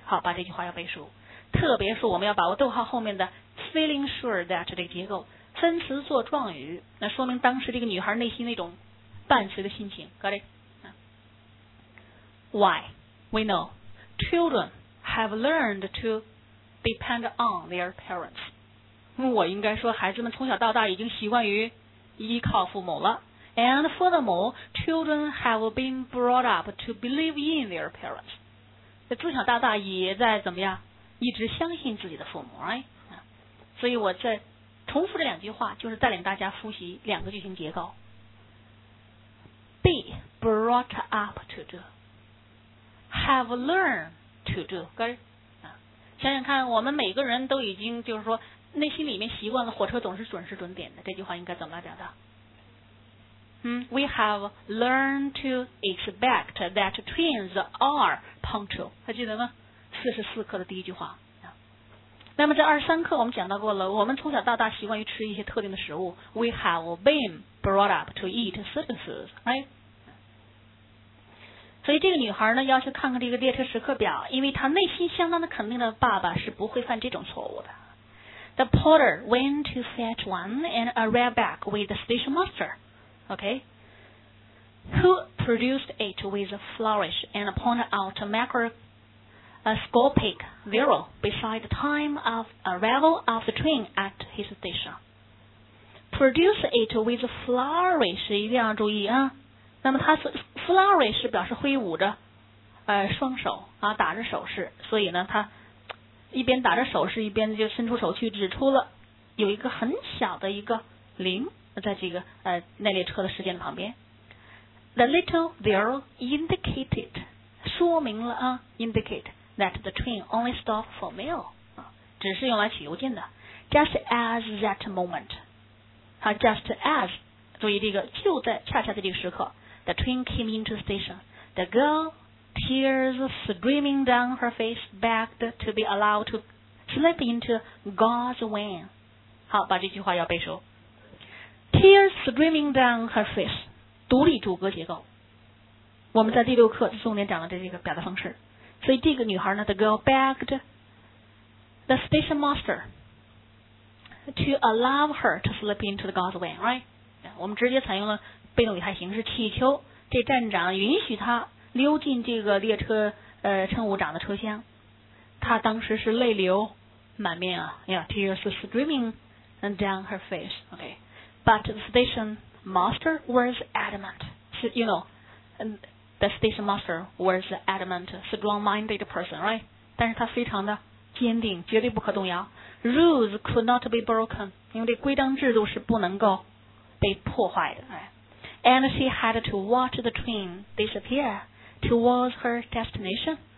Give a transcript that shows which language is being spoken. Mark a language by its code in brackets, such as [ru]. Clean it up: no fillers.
[zh] 好，把这句话要背熟。特别是我们要把握逗号后面的 [en] feeling sure that [zh] 这个结构分词做状语，那说明当时这个女孩内心那种伴随的心情。 [en] Got it? Why? We know children have learned to depend on their parents. [zh] 我应该说孩子们从小到大已经习惯于依靠父母了。 [en] And furthermore, children have been brought up to believe in their parents. [zh] 那自小到大也在怎么样？一直相信自己的父母 ， [en] right？ [zh] 所以我在重复这两句话，就是带领大家复习两个句型结构 [en] ：be brought up to do， have learned to do。 [zh] 想想看，我们每个人都已经就是说内心里面习惯了火车总是准时准点的，这句话应该怎么来表达？ [en] We have learned to expect that trains are punctual。 [zh] 还记得吗？四十四课的第一句话。那么在二十三课我们讲到过了，我们从小到大习惯于吃一些特定的食物。 [en] We have been brought up to eat certain foods, right? [zh] 所以这个女孩呢，要去看看这个列车时刻表，因为她内心相当的肯定的爸爸是不会犯这种错误的。 [en] The porter went to fetch one and arrived back with the station master, okay? Who produced it with a flourish and pointed out a macroscopic zero beside the time of arrival of the train at his station. Produce it with flourish, [zh] 一定要注意啊。那么它是 flourish 表示挥舞着双手啊，打着手势，所以呢它一边打着手势一边就伸出手去指出了有一个很小的一个零在这个那列车的时间的旁边。 [en] The little zero indicated, [zh] 说明了啊 [en] indicate. That the train only stopped for mail, [zh] 只是用来取邮件的。 [en] Just as that moment, just as, [zh] 注意这个就在恰恰在这个时刻 [en] ，the train came into station. The girl, tears streaming down her face, begged to be allowed to slip into God's van. [zh] 好，把这句话要背熟。 [en] Tears streaming down her face, [zh] 独立主格结构。我们在第六课重点讲了这个表达方式。所以这个女孩呢 ， [en] the girl begged the station master to allow her to slip into the God's van, right? [zh] 我们直接采用了被动语态形式，祈求这站长允许她溜进这个列车乘务长的车厢。她当时是泪流满面啊 ， [en] yeah, tears streaming down her face. Okay, but the station master was adamant. So, you know, The station master was an adamant, strong-minded person, right? [zh] 但是他非常的坚定，绝对不可动摇。 [en] Rules could not be broken, [zh] 因为这规章制度是不能够被破坏的。 [en] And she had to watch the train disappear towards her destination.